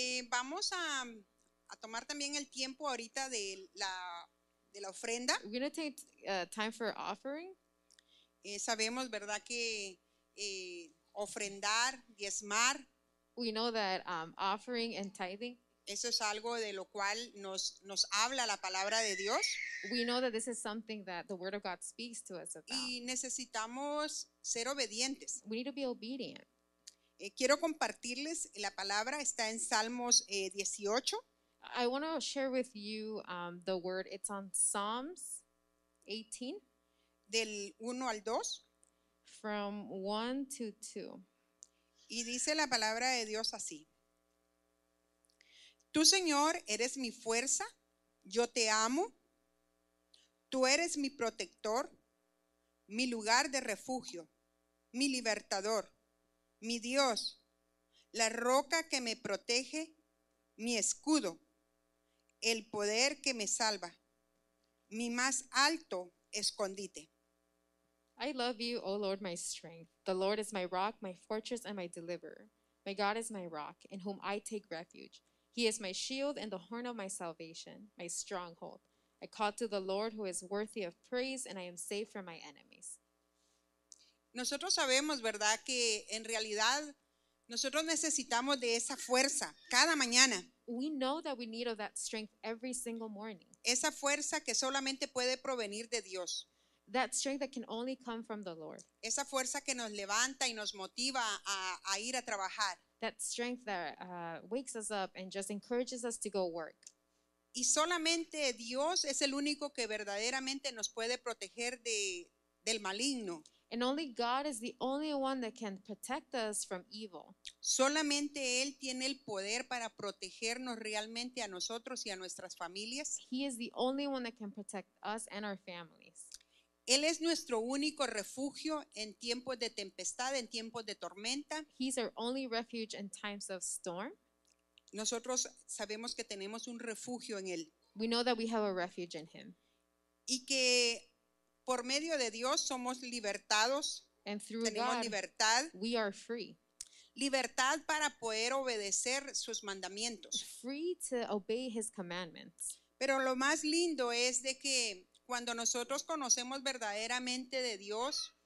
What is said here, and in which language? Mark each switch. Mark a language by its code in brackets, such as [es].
[es] Vamos a tomar también el tiempo ahorita de la ofrenda. [en] We're going to take time for offering. [es] Sabemos, ¿verdad?, que ofrendar, diezmar. [en] We know that offering and tithing. [es] Eso es algo de lo cual nos habla la palabra de Dios. [en] We know that this is something that the word of God speaks to us about. [es] Y necesitamos ser obedientes. [en] We need to be obedient. [es] Quiero compartirles la palabra, está en Salmos 18. [en] I want to share with you the word, it's on Psalms 18. [es] Del 1 al 2. [en] From 1 to 2. [es] Y dice la palabra de Dios así. Tú, Señor, eres mi fuerza, yo te amo, tú eres mi protector, mi lugar de refugio, mi libertador, mi Dios, la roca que me protege, mi escudo, el poder que me salva, mi más alto escondite. [en] I love you, O Lord, my strength. The Lord is my rock, my fortress, and my deliverer. My God is my rock, in whom I take refuge. He is my shield and the horn of my salvation, my stronghold. I call to the Lord who is worthy of praise, and I am safe from my enemies. [es] Nosotros sabemos, ¿verdad?, que en realidad nosotros necesitamos de esa fuerza cada mañana. [en] We know that we need of that strength every single morning. [es] Esa fuerza que solamente puede provenir de Dios. [en] That strength that can only come from the Lord. [es] Esa fuerza que nos levanta y nos motiva a ir a trabajar. [en] That strength that wakes us up and just encourages us to go work. [es] Y solamente Dios es el único que verdaderamente nos puede proteger del maligno. [en] And only God is the only one that can protect us from evil. [es] Solamente Él tiene el poder para protegernos realmente a nosotros y a nuestras familias. [en] He is the only one that can protect us and our families. [es] Él es nuestro único refugio en tiempos de tempestad, en tiempos de tormenta. [en] He's our only refuge in times of storm. [es] Nosotros sabemos que tenemos un refugio en Él. [en] We know that we have a refuge in Him. [es] Y que por medio de Dios somos libertados. [en] And through [es] tenemos [en] God, [es] libertad. [en] We are free. [es] Libertad para poder obedecer sus mandamientos. [en] Free to obey His commandments. [es] Pero lo más lindo es de que cuando nosotros conocemos verdaderamente de Dios,